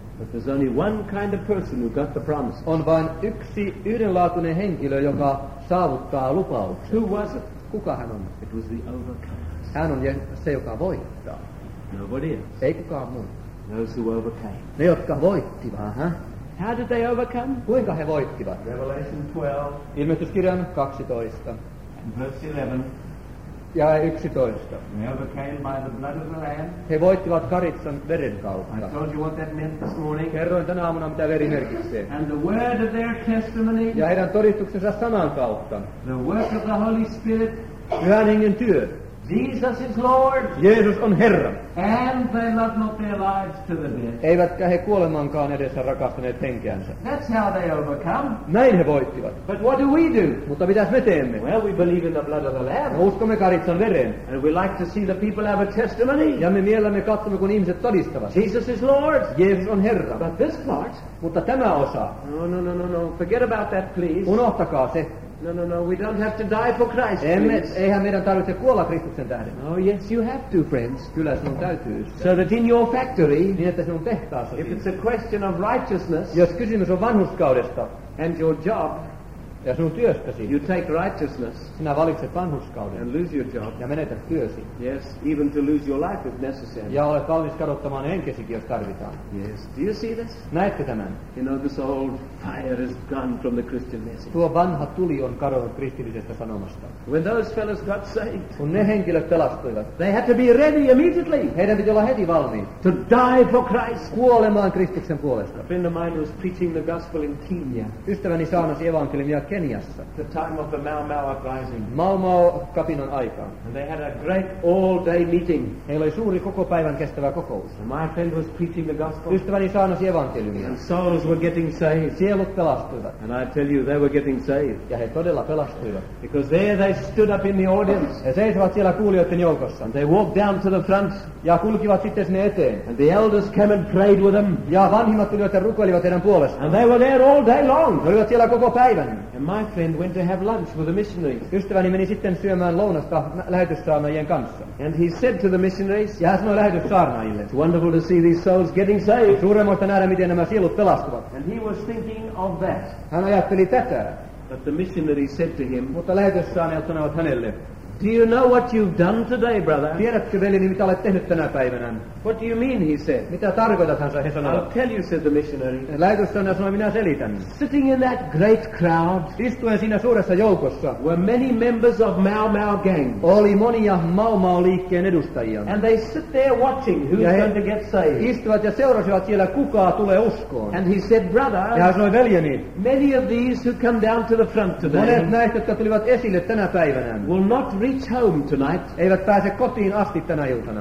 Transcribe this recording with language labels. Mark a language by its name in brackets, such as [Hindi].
[English] But there's only one kind of person who got the promise. [Finnish] On vain yksi yhdenlaatuinen henkilö, joka saavuttaa lupauksen. [English] Who was it? [Finnish] Kuka hän on? [English] It was the overcomer. [Finnish] Hän on se, joka voittaa. [English] Nobody else. [Finnish] Ei kukaan muu. [English] Those who overcame. [Finnish] Ne, jotka voittivat. [English] Uh-huh. How did they overcome? [Finnish] Kuinka he voittivat? [English] Revelation 12. [Finnish] Ilmestyskirjan 12. [English] And verse 11. [Finnish] Ja 11. [English] They overcame by the blood of the Lamb. [Finnish] He voittivat karitsan veren kautta. [English] I told you what that meant this morning. [Finnish] Kerroin tänä aamuna, mitä veri merkitsee. [English] And the word of their testimony. [Finnish] Ja heidän todistuksensa sanan kautta. [English] The work of the Holy Spirit. [Finnish] Pyhän Hengen työ. [English] Jesus is Lord. [Finnish] Jeesus on Herra. [English] And they loved not their lives to the death. [Finnish] Eivätkä he kuolemankaan edessä rakastaneet henkeänsä. [English] That's how they overcome. [Finnish] Näin he voittivat. [English] But what do we do? [Finnish] Mutta mitäs me teemme? [English] Well, we believe in the blood of the Lamb. [Finnish] Uskomme karitsan veren. [English] And we like to see the people have a testimony. [Finnish] Ja me mielemme katsomme, kun ihmiset todistavat. [English] Jesus is Lord. [Finnish] Jeesus on Herra. [English] But this part. [Finnish] Mutta tämä osa. [English] No. Forget about that, please. [Finnish] Unohtakaa se. [English] No, we don't have to die for Christ. [Finnish] Eihän meidän tarvitse kuolla Kristuksen tähden. [English] Oh, yes, you have to, friends. [Finnish] Kyllä sinun täytyy. [English] So that in your factory, [Finnish] niin että sinun tehtaassa, [English] if it's a question of righteousness, [Finnish] jos kysymys on vanhurskaudesta, [English] And your job. [Finnish] Ja sinun työstäsi. [English] You take righteousness. [Finnish] Sinä valitset vanhurskauden. [English] And lose your job. [Finnish] Ja menetät työsi. [English] Yes, even to lose your life if necessary. [Finnish] Ja olet valmis kadottamaan henkesikin, jos tarvitaan. [English] Yes, do you see this? [Finnish] Näetkö tämän? [English] You know, this old fire is gone from the Christian message. [Finnish] Tuo vanha tuli on kadonnut kristillisestä sanomasta. [English] When those fellows got saved. [Finnish] Kun ne henkilöt pelastuivat. [English] They had to be ready immediately. [Finnish] Heidän piti olla heti valmiin. [English] To die for Christ. [Finnish] Kuolemaan Kristuksen puolesta. [English] A friend of mine was preaching the gospel in Kenya. [Finnish] Ystäväni saarnasi evankeliumia Keniassa. [English] The time of the Mau Mau uprising. [Finnish] Mau Mau kapinan aikaan. [English] And they had a great all-day meeting. [Finnish] Heillä oli suuri koko päivän kestävä kokous. [English] And my friend was preaching the gospel. [Finnish] Ystäväni saarnasi evankeliumia. [English] And souls were getting saved. [Finnish] Sielut pelastuivat. [English] And I tell you, they were getting saved. [Finnish] Ja he todella pelastuivat. [English] Because there they stood up in the audience. [Finnish] He seisovat siellä kuulijoiden joukossa. [English] And they walked down to the front. [Finnish] Ja kulkivat sitten sinne eteen. [English] And the elders came and prayed with them. [Finnish] Ja vanhimmat tulivat ja rukoilivat heidän puolestaan. [English] And they were there all day long. [Finnish] He olivat siellä koko päivän. [English] And my friend went to have lunch with the missionaries. [Finnish] Ystäväni meni sitten syömään lounasta lähetyssaarnaajien kanssa. [English] And he said to the missionaries. [Finnish] Ja hän sanoi lähetyssaarnaajille. [English] It's wonderful to see these souls getting saved. [Finnish] Suuremmoista nähdä, miten nämä sielut pelastuvat. [English] And he was thinking of that. [Finnish] Hän ajatteli tätä. [English] But the missionaries said to him. [Finnish] Mutta lähetyssaarnaajat sanoivat hänelle. [English] Do you know what you've done today, brother? [Finnish] Tiedätkö veljeni, mitä olet tehnyt tänä päivänä? [English] What do you mean, he said. [Finnish] Mitä tarkoitat, hän sanoi. [English] I'll tell you, said the missionary. [Finnish] Lähetyssaarnaaja sanoi, minä selitän. [English] Sitting in that great crowd. [Finnish] Istuen siinä suuressa joukossa. [English] Were many members of Mau Mau gang. [Finnish] Oli monia Mau Mau liikkeen edustajia. [English] And they sit there watching who's going to get saved. [Finnish] Istuvat ja seurasivat siellä, kuka tulee uskoon. [English] And he said, brother. [Finnish] Ja hän sanoi, veljeni. [English] Many of these who come down to the front today. [Finnish] Monet näistä, jotka tulivat esille tänä päivänä. [English] Will not reach home tonight. [Finnish] Eivät pääse kotiin asti tänä iltana.